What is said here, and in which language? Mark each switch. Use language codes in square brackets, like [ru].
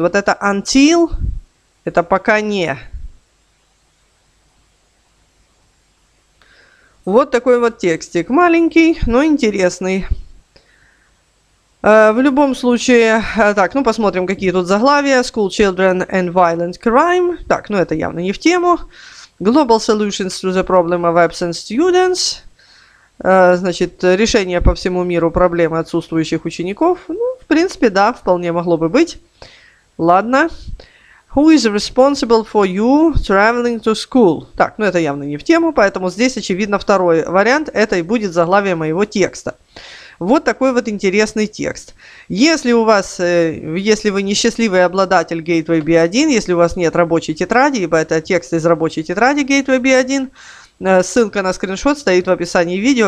[ru] Вот это until, это пока не. Вот такой вот текстик. Маленький, но интересный. В любом случае, так, ну посмотрим, какие тут заглавия. [en] School children and violent crime. [ru] Так, ну это явно не в тему. [en] Global solutions to the problem of absent students. [ru] Значит, решение по всему миру проблемы отсутствующих учеников. Ну, в принципе, да, вполне могло бы быть. Ладно. [en] Who is responsible for you traveling to school? [ru] Так, ну это явно не в тему, поэтому здесь, очевидно, второй вариант. Это и будет заглавие моего текста. Вот такой вот интересный текст. Если у вас, если вы не счастливый обладатель Gateway B1, если у вас нет рабочей тетради, ибо это текст из рабочей тетради Gateway B1, ссылка на скриншот стоит в описании видео.